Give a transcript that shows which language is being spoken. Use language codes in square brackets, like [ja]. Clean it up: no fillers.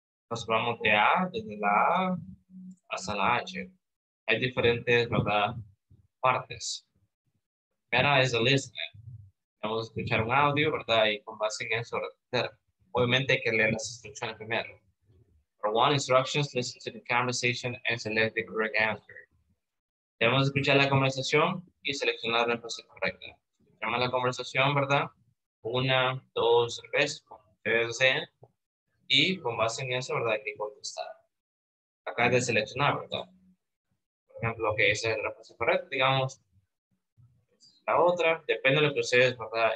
[es] Nos vamos de A, desde la A hasta la H. Hay diferentes, ¿verdad? Partes. Pero es el listener. Vamos a escuchar un audio, ¿verdad? Y con base en eso, obviamente hay que leer las instrucciones primero. [en] For one instructions, listen to the conversation and select the correct answer. [es] Debemos escuchar la conversación y seleccionar la respuesta correcta. Escuchamos la conversación, ¿verdad? Una, dos, tres, como ustedes deseen. Y con base en eso, ¿verdad? Hay que contestar. Acá es de seleccionar, ¿verdad? Por ejemplo, que esa es la respuesta correcta, digamos. La otra, depende de lo que ustedes, ¿verdad?